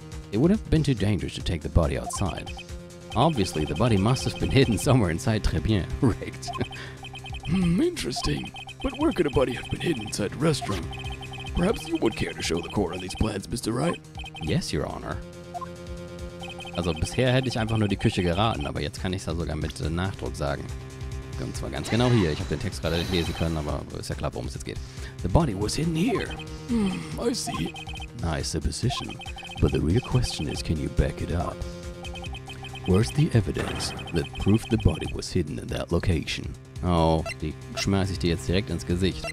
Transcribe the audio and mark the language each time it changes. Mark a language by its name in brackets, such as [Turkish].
[English] It would have been too dangerous to take the body outside. Obviously, the body must have been hidden somewhere inside Trebien. Right. Interesting. But where could a body have been hidden inside the restaurant? Perhaps you would care to show the court on these plans, Mr. Wright? Yes, Your Honor. [German] Also bisher hätte ich einfach nur die Küche geraten, aber jetzt kann ich es da sogar mit Nachdruck sagen. Und zwar ganz genau hier. Ich habe den Text gerade nicht lesen können, aber ist ja klar, worum es jetzt geht. [English] The body was hidden here. I see. Nice supposition. But the real question is, can you back it up? Where's the evidence that proved the body was hidden in that location? [German] Oh, die schmeiß ich dir jetzt direkt ins Gesicht.